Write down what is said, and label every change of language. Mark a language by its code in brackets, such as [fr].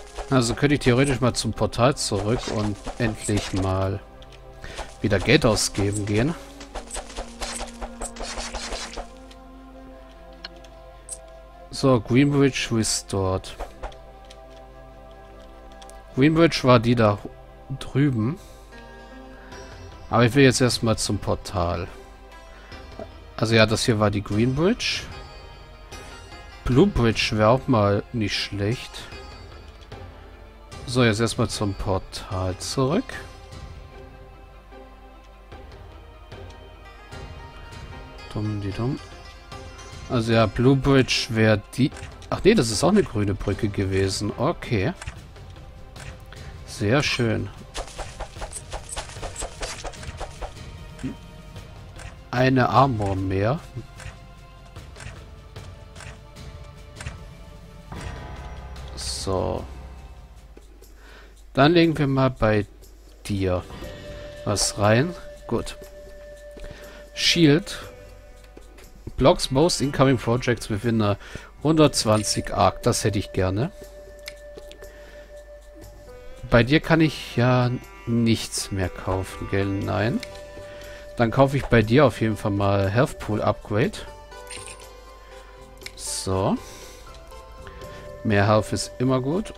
[de] Also könnte ich theoretisch mal zum Portal zurück und endlich mal wieder Geld ausgeben gehen. [en] So, Greenbridge restored. [de] Greenbridge war die da drüben. Aber ich will jetzt erstmal zum Portal. Also ja, das hier war die Greenbridge. Bluebridge wäre auch mal nicht schlecht. So, jetzt erstmal zum Portal zurück. Dumm, die dumm. Also ja, Bluebridge wäre die... Ach nee, das ist auch eine grüne Brücke gewesen. Okay. Sehr schön. Eine Armor mehr. So. Dann legen wir mal bei dir was rein. Gut. Shield. [en] Blocks most incoming projects within a 120 Arc. [de] Das hätte ich gerne. Bei dir kann ich ja nichts mehr kaufen, gell? Nein. Dann kaufe ich bei dir auf jeden Fall mal Health Pool Upgrade. So. Mehr Health ist immer gut.